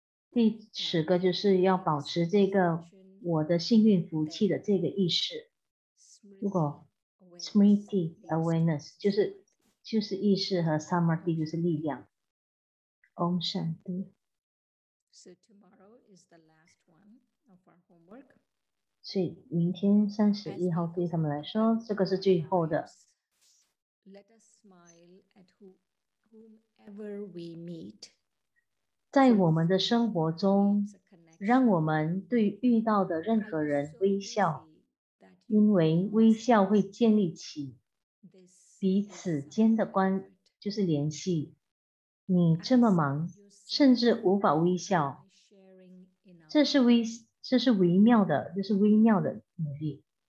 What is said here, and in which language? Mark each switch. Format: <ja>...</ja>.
<zh>第十个就是要保持这个我的幸运福气的这个意识。如果 smriti awareness 就是意识和 samadhi 就是力量。</zh> <hi>Om Shanti.</hi> <en>So tomorrow is the last one of our homework.</en> <zh>所以明天31号对他们来说，这个是最后的。</zh> <en>Let us smile at whomever we meet.</en> <zh>在我们的生活中，让我们对遇到的任何人微笑，因为微笑会建立起彼此间的关，就是联系。你这么忙，甚至无法微笑，这是微妙的努力。</zh>